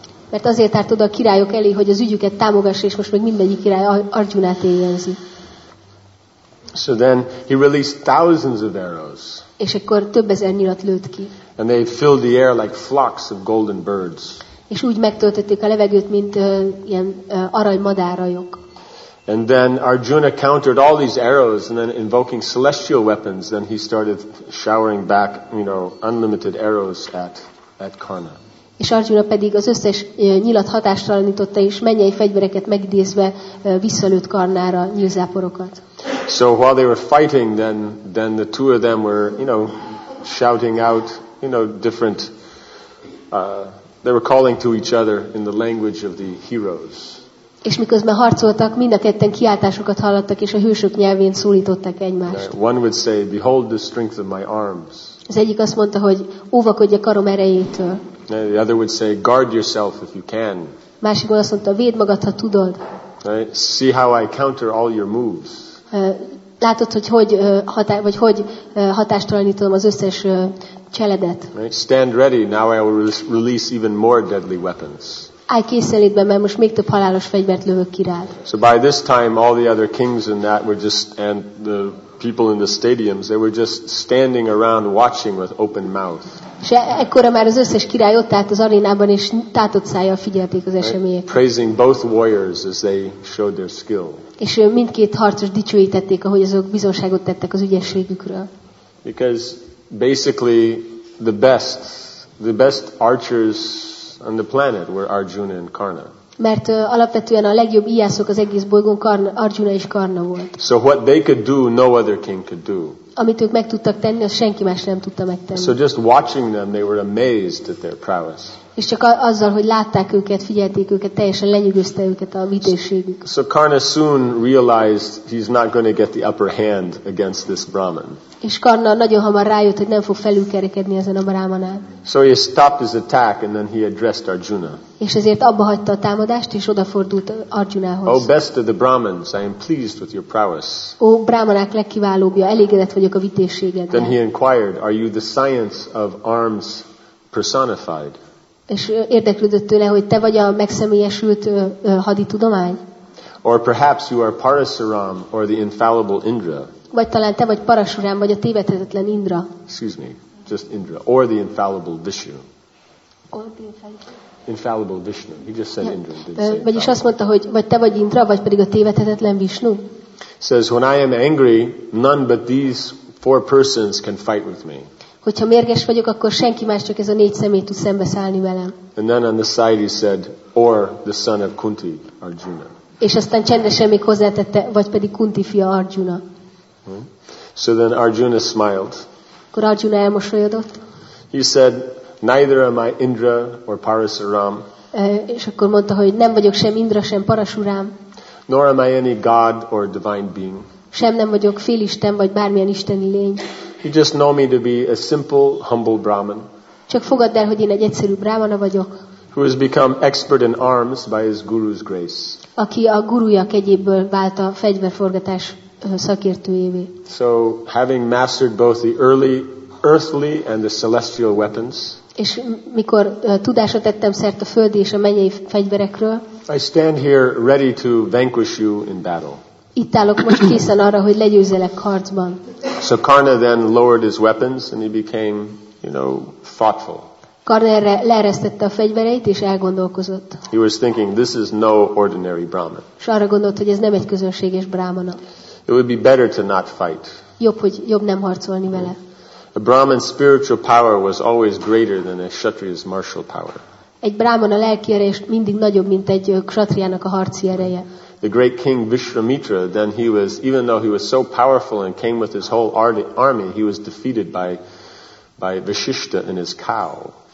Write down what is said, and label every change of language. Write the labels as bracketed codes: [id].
[hu] Mert azért árt oda a királyok elé, hogy az ügyüket támogassa, és most meg mindegyik király Arjunát éljenzi. [en] So then he released thousands of arrows. [hu] És akkor több ezer nyilat lőtt ki. [en] And they filled the air like flocks of golden birds. [hu] És úgy megtöltötték a levegőt, mint ilyen arany madárajok. [en] And then Arjuna countered all these arrows and then invoking celestial weapons, then he started showering back, you know, unlimited arrows at Karna. [hu] És Arjuna pedig az összes nyilat hatástalanította, és mennyei fegyvereket megidézve visszalőtt Karnára nyilzáporokat. [en] So while they were fighting, then the two of them were, you know, shouting out, you know, different they were calling to each other in the language of the heroes. [hu] És miközben harcoltak, mind a ketten kiáltásokat hallottak, és a hősök nyelvén szólították egymást. [en] One would say, behold the strength of my arms. [hu] Az egyik azt mondta, hogy óvakodj a karom erejétől. [en] The other would say, guard yourself if you can. [hu] Másik azt mondta, védd magad, ha tudod. [en] See how I counter all your moves. [hu] Látod, hogy hatástalanítom az összes cseledet. [en] Right. Stand ready, now I will release even more deadly weapons. [hu] Állj készenlétben, mert most még több halálos fegyvert lövök ki rád. [en] So by this time all the other kings and that were just and the people in the stadiums, they were just standing around watching with open mouth. [hu] És ekkora már az összes király ott állt az arénában, és tátott szájjal figyelték az eseményeket. [en] Right. Praising both warriors as they showed their skill. [hu] És mindkét harcos dicsőítették, ahogy azok bizonságot tettek az ügyességükről. [en] Because basically the best archers on the planet were Arjuna and Karna. [hu] Mert alapvetően a legjobb íjászok az egész bolygón Arjuna és Karna volt. [en] So what they could do, no other king could do. [hu] Amit ők meg tudtak tenni, az senki más nem tudta megtenni. [en] So just watching them, they were amazed at their prowess. [hu] És csak azzal, hogy látták őket, figyelték őket, teljesen lenyűgözte őket a vitézségük. [en] So Karna soon realized he's not going to get the upper hand against this Brahman. [hu] És Karna nagyon hamar rájött, hogy nem fog felülkerekedni ezen a brahmanán. [en] So he stopped his attack and then he addressed Arjuna. [hu] És ezért abbahagyta a támadást és odafordult Arjunához. [en] Oh, best of the Brahmins, I am pleased with your prowess. [hu] Ó, brahmanák legkiválóbbja, elégedett vagyok a vitézségeddel. [en] Then he inquired, are you the science of arms personified? [hu] És érdeklődött tőle, hogy te vagy a megszemélyesült haditudomány? [en] Or perhaps you are Parasuram or the infallible Indra. [hu] Vagy talán te vagy Parasuram, vagy a tévedhetetlen Indra. [en] Excuse me, just Indra. Or the infallible Vishnu. Or the infallible Vishnu. He just said Indra. [hu] Vagyis azt mondta, hogy vagy te vagy Indra, vagy pedig a tévedhetetlen Vishnu. [en] Says, when I am angry, none but these four persons can fight with me. [hu] Hogyha mérges vagyok, akkor senki más, csak ez a négy személy tud szembeszállni velem. [en] And then on the side he said, or the son of Kunti, Arjuna. [hu] És aztán csendesen még hozzátette, vagy pedig Kunti fia Arjuna. [en] So then Arjuna smiled. [hu] Akkor Arjuna elmosolyodott. [en] He said, neither am I Indra or Parasuram. [hu] És akkor mondta, hogy nem vagyok sem Indra, sem Parasuram. [en] Nor am I any god or divine being. [hu] Sem nem vagyok félisten vagy bármilyen isteni lény. [en] You just know me to be a simple, humble Brahman. [hu] Csak fogadd el, hogy én egy egyszerű brahmana vagyok. [en] Who has become expert in arms by his guru's grace. [hu] Aki a gurúja kegyéből vált a fegyverforgatás szakértőjévé. [en] So, having mastered both the early earthly and the celestial weapons. [hu] És mikor tudásra tettem szert a földi és a mennyei fegyverekről. [en] I stand here ready to vanquish you in battle. [hu] Itt állok most készen arra, hogy legyőzzelek harcban. [en] So Karna then lowered his weapons and he became, you know, thoughtful. [hu] Karna erre leeresztette a fegyvereit és elgondolkozott. [en] He was thinking, this is no ordinary Brahman. [hu] És arra gondolt, hogy ez nem egy közönséges brahmana. [en] It would be better to not fight. [hu] Jobb nem harcolni vele. [en] A Brahman's spiritual power was always greater than a Kshatriya's martial power. [hu] Egy brahmana lelki ereje mindig nagyobb, mint egy Kshatriyának a harci ereje. [en] the great king Vishvamitra, then he was, even though he was so powerful and came with his whole army, he was defeated by Vasishtha and his cow.